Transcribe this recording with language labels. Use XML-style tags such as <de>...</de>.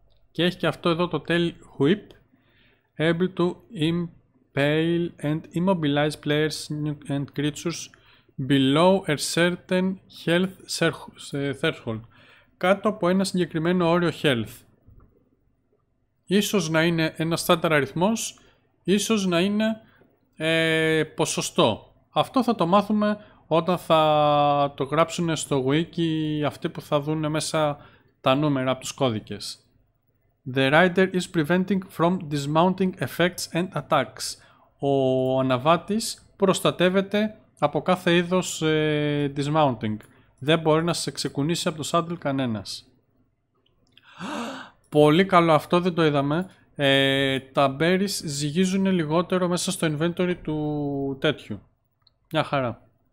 <el>Και έχει και αυτό εδώ το tail whip.</el> <en>Able to impale and immobilize players and creatures below a certain health threshold.</en> <el>Κάτω από ένα συγκεκριμένο όριο health. Ίσως να είναι ένα στάνταρ αριθμός. Ίσως να είναι ποσοστό. Αυτό θα το μάθουμε όταν θα το γράψουν στο wiki αυτοί που θα δουν μέσα τα νούμερα από τους κώδικες.</el> <en>The rider is preventing from dismounting effects and attacks.</en> <el>Ο αναβάτης προστατεύεται από κάθε είδος dismounting. Δεν μπορεί να σε ξεκουνήσει από το saddle κανένας. Πολύ καλό αυτό, δεν το είδαμε. Τα berries ζυγίζουν λιγότερο μέσα στο inventory του τέτοιου. Μια χαρά.</el>